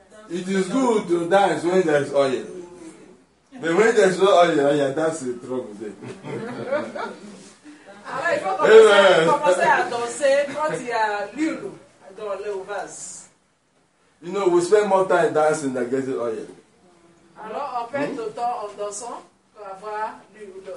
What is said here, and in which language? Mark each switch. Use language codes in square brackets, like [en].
[en] It is good to dance when there is oil. But when there is no oil, yeah, that's the trouble there. [fr] Alors, il faut commencer à danser quand il y a l'huile dans le vase. [en] You know, we spend more time dancing than getting oil. [fr] Alors, on perd le temps en dansant pour avoir l'huile.